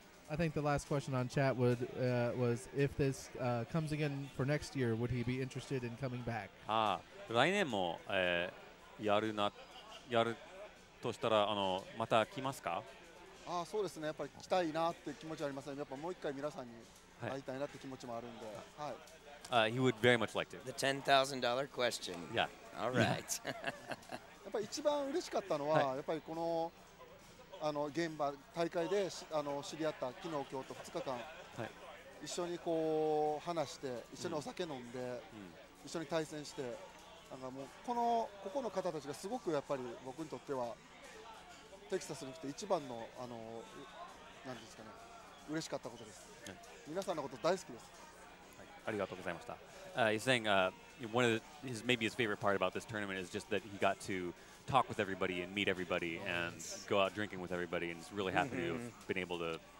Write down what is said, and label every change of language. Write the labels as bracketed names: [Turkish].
[English] I think the last question on chat was if this comes again for next year, would he be interested in coming back? [Japanese] 来年もやるとしたらまた来ますか？そうですね。やっぱり来たいなって気持ちありますね。やっぱもう一回皆さんに会いたいなって気持ちもあるんで。はい。 [English] He would very much like to. The $10,000 question. Yeah. All right. [Japanese] やっぱり一番嬉しかったのは、やっぱりこの現場大会で知り合った昨日今日と2日間、一緒にこう話して、一緒にお酒飲んで、一緒に対戦して、なんかもうここの方たちがすごくやっぱり僕にとっては。テキサスに来て一番の何ですかね、嬉しかったことです。皆さんのこと大好きです。ありがとうございました。 [English] He's saying one of maybe his favorite part about this tournament is just that he got to talk with everybody and meet everybody and go out drinking with everybody, and he's really happy to have been able to